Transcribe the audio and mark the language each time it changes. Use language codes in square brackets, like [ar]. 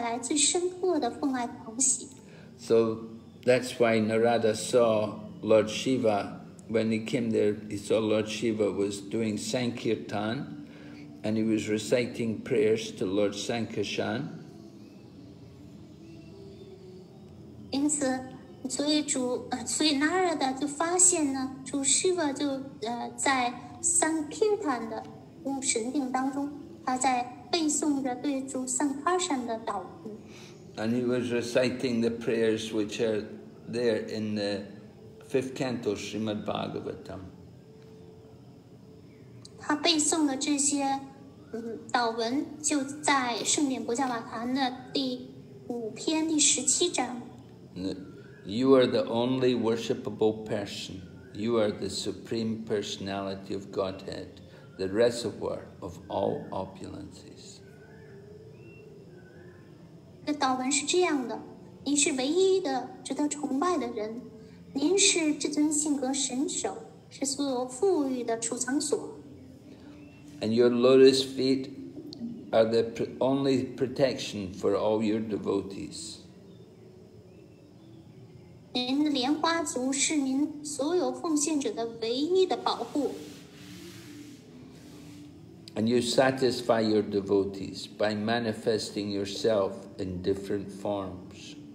[zh] 对这样的奉献者而言，主会接受他们最简单的奉爱的举动，而这个能给他们带来最深刻的奉爱狂喜。 [en] So that's why Narada saw Lord Shiva. When he came there, he saw Lord Shiva was doing Sankirtan and he was reciting prayers to Lord Sankarshan. And he was reciting the prayers which are there in the fifth canto, Srimad Bhagavatam. [zh] 他背诵的这些导文就在《圣严不加瓦坛》的第五篇第十七章. [en] You are the only worshipable person. You are the supreme personality of Godhead, the reservoir of all opulences. [zh] 这祷文是这样的，您是唯一的值得崇拜的人，您是至尊性格神首，是所有富裕的储藏所。 [en] And your lotus feet are the only protection for all your devotees. [zh] 您的莲花足是您所有奉献者的唯一的保护。 [en] And you satisfy your devotees by manifesting yourself in different forms.